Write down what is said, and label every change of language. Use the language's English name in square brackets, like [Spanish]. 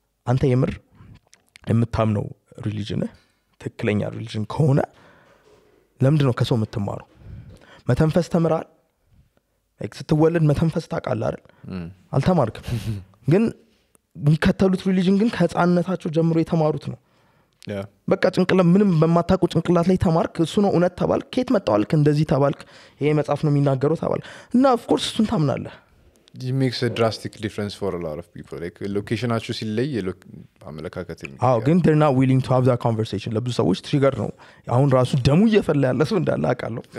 [Amharic] አንተ የምር የምታምነው ሪሊጅን ትክክለኛ ሪሊጅን ከሆነ ለምንድን ነው ከሰው የምትማረው መተንፈስ ተምራል እክስትወልድ መተንፈስ ታቃላ አይደል አልተማርክም ግን የሚከተሉት ሪሊጅን ግን ከህፃንነታቸው ጀምሮ የተማሩት ነው በቃ ጭንቅላት ምንም በማታውቁ ጭንቅላት ላይ ተማርክ እሱ ነው እውነት ተባልክ ከየት መጣዋልክ እንደዚህ ተባልክ ይሄ መጻፍ ነው የሚናገረው ተባልክ እና ኦፍ ኮርስ እሱን ታምናለህ [English] it makes a drastic difference for a lot of people like location [Amharic] አቹ ሲለይ አመለካከቴ አው ግን [English] they're not willing to have that conversation [Amharic] ለብዙ ሰዎች ትሪገር ነው አሁን ራሱ ደሙ እየፈላ ያለ ሰው እንዳለ አቃለው